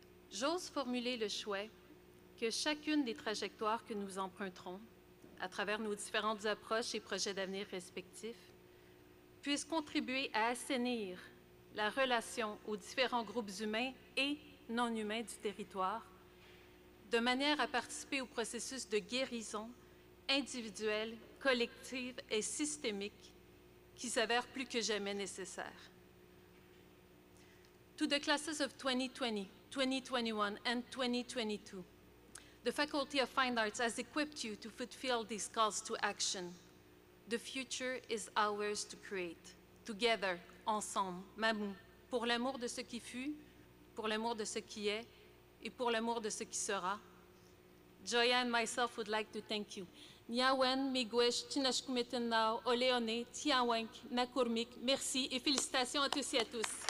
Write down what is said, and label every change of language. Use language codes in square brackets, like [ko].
[fr] J'ose formuler le souhait que chacune des trajectoires que nous emprunterons, à travers nos différentes approches et projets d'avenir respectifs, puisse contribuer à assainir la relation aux différents groupes humains et non humains du territoire, de manière à participer au processus de guérison individuelle, collective et systémique, qui s'avère plus que jamais nécessaire. [en] To the classes of 2020, 2021, and 2022, the Faculty of Fine Arts has equipped you to fulfill these calls to action. The future is ours to create. Together, [fr] ensemble, mamou, pour l'amour de ce qui fut, pour l'amour de ce qui est, et pour l'amour de ce qui sera. [en] Joya and myself would like to thank you. [fr] Niawen, Miigwech, Chinashkumetennao, Oleone, Tiawenk, Nakurmik, merci et félicitations à tous et à tous.